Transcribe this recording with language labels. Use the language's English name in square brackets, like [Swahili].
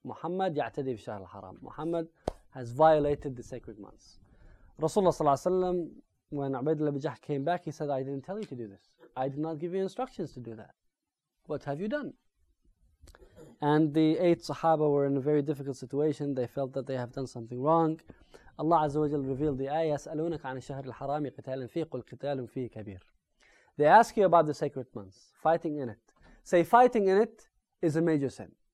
[Arabic] Muhammad ya'tadi fi Shahr al-Haram. [English] Muhammad has violated the sacred months. Rasulullah sallallahu alayhi wa sallam, when Ubaydullah ibn Jahsh came back, he said, I didn't tell you to do this. I did not give you instructions to do that. What have you done? And the eight Sahaba were in a very difficult situation. They felt that they have done something wrong. Allah Azza wa Jal revealed the ayah, [Arabic] يَسْأَلُونَكَ عَنِ الشَّهْرِ الْحَرَامِ قِتَالٍ فِيهِ قُلْ قِتَالٌ فِيهِ كَبِيرٌ. [English] They ask you about the sacred months, fighting in it. Say, fighting in it is a major sin.